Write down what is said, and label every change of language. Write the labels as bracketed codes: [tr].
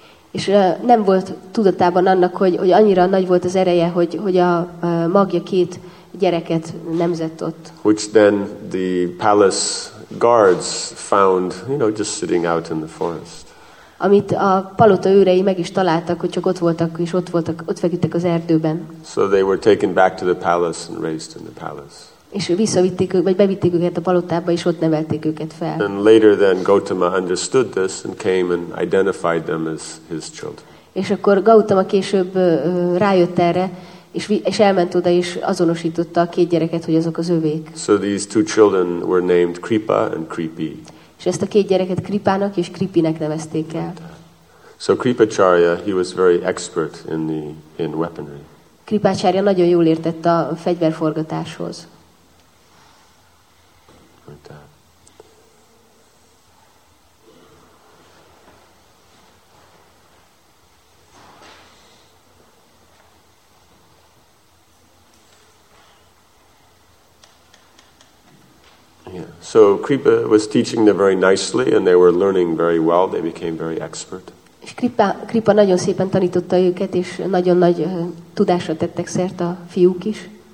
[hu] És nem volt tudatában annak, hogy annyira nagy volt az ereje, hogy a magja két gyereket nemzett ott. [en] Which then the palace guards found, just sitting out in the forest. [hu] Amit a palota őrei meg is találtak, hogy csak ott voltak, és ott feküdtek az erdőben. [en] So they were taken back to the palace and raised in the palace. [hu] És visszavitték, vagy bevitték őket a palotába, és ott nevelték őket fel. [en] And later then Gautama understood this and came and identified them as his children. [hu] És akkor Gautama később rájött erre, és elment oda, és azonosította a két gyereket, hogy azok az övék. [en] So these two children were named Kripa and Kripi. [hu] És ezt a két gyereket Kripának és Kripinek nevezték el. [en] So Kripacharya, he was very expert in weaponry. [hu] Kripacharya nagyon jól értett a fegyverforgatáshoz. [en] So Kripa was teaching them very nicely, and they were learning very well. They became very expert. [hu] Kripa nagyon szépen tanította őket, és nagyon nagy tudásra tettek szert a fiúk is.